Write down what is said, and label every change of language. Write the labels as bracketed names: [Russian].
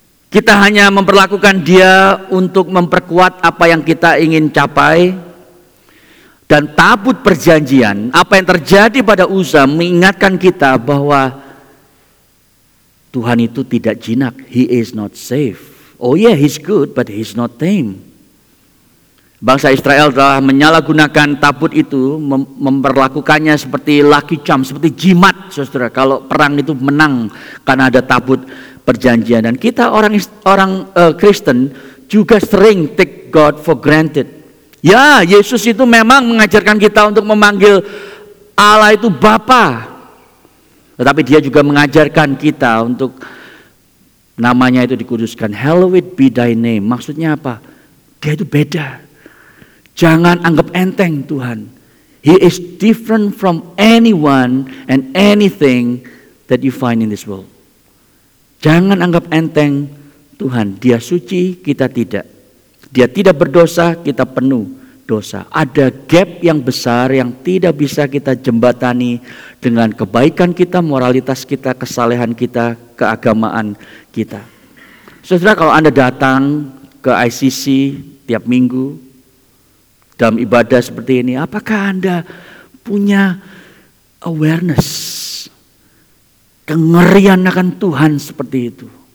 [Indonesian] Kita hanya memperlakukan dia untuk memperkuat apa yang kita ingin capai. Dan tabut perjanjian, apa yang terjadi pada Uza mengingatkan kita bahwa Tuhan itu tidak jinak. [English] He is not safe. Oh yeah, he's good, but he's not tame. [Indonesian] Bangsa Israel telah menyalahgunakan tabut itu, memperlakukannya seperti lucky charm, seperti jimat, saudara. Kalau perang itu menang karena ada tabut perjanjian. Dan kita orang Kristen juga sering [English] take God for granted. [Indonesian] Ya, Yesus itu memang mengajarkan kita untuk memanggil Allah itu Bapa, tetapi dia juga mengajarkan kita untuk namanya itu dikuduskan. [English] Hallowed be thy name. [Indonesian] Maksudnya apa? Dia itu beda. Jangan anggap enteng Tuhan. [English] He is different from anyone and anything that you find in this world. [Indonesian] Jangan anggap enteng Tuhan. Dia suci, kita tidak. Dia tidak berdosa, kita penuh dosa. Ada gap yang besar yang tidak bisa kita jembatani dengan kebaikan kita, moralitas kita, kesalehan kita, keagamaan kita. Saudara, kalau Anda datang ke ICC tiap minggu dalam ibadah seperti ini, apakah Anda punya awareness kengerian akan Tuhan seperti itu?